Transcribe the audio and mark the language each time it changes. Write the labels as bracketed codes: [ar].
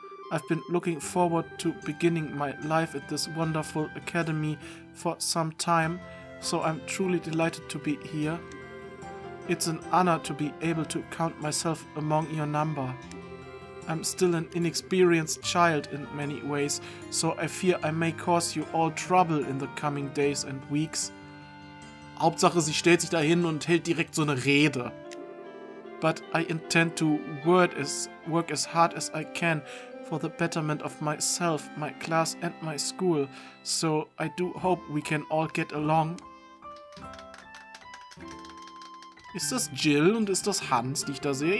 [en] I've been looking forward to beginning my life at this wonderful academy for some time, so I'm truly delighted to be here. It's an honor to be able to count myself among your number. I'm still an inexperienced child in many ways, so I fear I may cause you all trouble in the coming days and weeks. [de] Hauptsache, sie stellt sich dahin und hält direkt so eine Rede. [en] But I intend to work as hard as I can for the betterment of myself, my class and my school, so I do hope we can all get along. [de] Ist das Jill und ist das Hans, die ich da sehe?